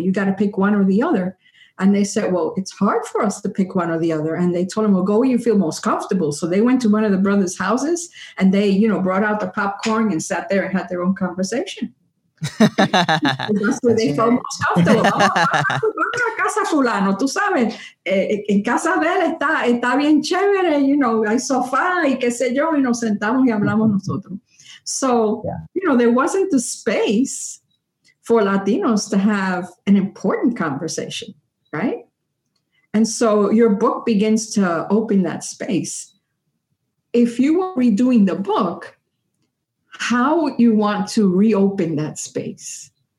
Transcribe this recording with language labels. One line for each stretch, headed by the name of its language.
English: You got to pick one or the other. And they said, well, it's hard for us to pick one or the other. And they told him, well, go where you feel most comfortable. So they went to one of the brothers' houses and they, you know, brought out the popcorn and sat there and had their own conversation. That's where they felt most comfortable.
Spanish: Vamos a casa fulano, tú sabes. En casa de él está bien chévere,
English: you know,
Spanish: hay sofá y qué sé yo, y nos sentamos y hablamos nosotros.
English: So, yeah. You know, there wasn't the space for Latinos to have an important conversation, right? And so your book begins to open that space. If you were redoing the book, how you want to reopen that space?